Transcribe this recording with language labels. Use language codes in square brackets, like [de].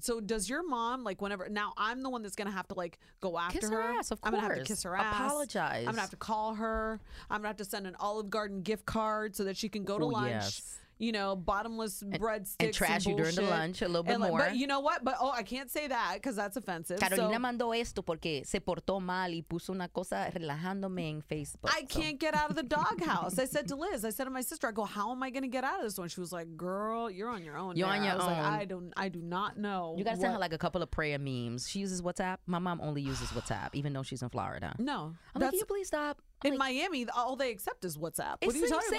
[en] So does your mom, like, whenever, now I'm the one that's going to have to, like, go after kiss her. Ass, of course. I'm going to have to kiss her ass. Apologize. I'm going to have to call her. I'm going to have to send an Olive Garden gift card so that she can go to lunch. You know, bottomless breadsticks and trash bullshit you during the lunch a little bit, like, more. But you know what? But oh, I can't say that because that's offensive. [es] Carolina mandó esto porque se portó mal y puso una cosa relajándome en Facebook. [en] I can't get out of the doghouse. I said to Liz, I said to my sister, I go, how am I going to get out of this one? She was like, girl, you're on your own. You're on your own. I was like, I do not know. You got to send her like a couple of prayer memes. She uses WhatsApp. My mom only uses WhatsApp, even though she's in Florida. No. I'm like, can you please stop? In, like, Miami, all they accept is WhatsApp. It's, what are you insane